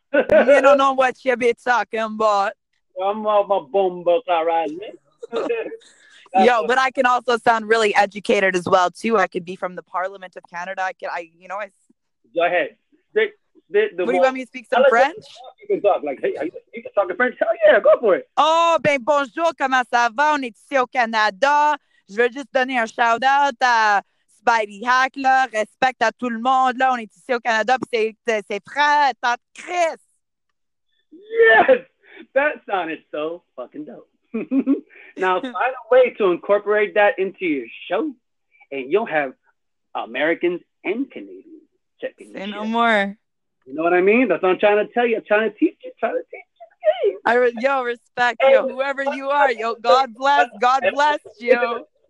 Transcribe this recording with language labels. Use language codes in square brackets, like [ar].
[en] You don't know what you be talking about. I'm all my bumbo, alright. Yo, but I can also sound really educated as well too. I could be from the Parliament of Canada. I go ahead. What do you want me to speak some French? You can talk French. Hell yeah, go for it. [fr] Oh, ben bonjour, comment ça va? On est ici au Canada. Je veux juste donner un shout-out à Spidey Hack, là. Respect à tout le monde, là. On est ici au Canada, puis c'est frère, tante Chris. [en] Yes! That sounded so fucking dope. Now, find a way to incorporate that into your show, and you'll have Americans and Canadians checking in. Say no more. You know what I mean? That's what I'm trying to tell you. I'm trying to teach you. Yo, respect, hey, yo, whoever you are. Yo, God bless. God bless you.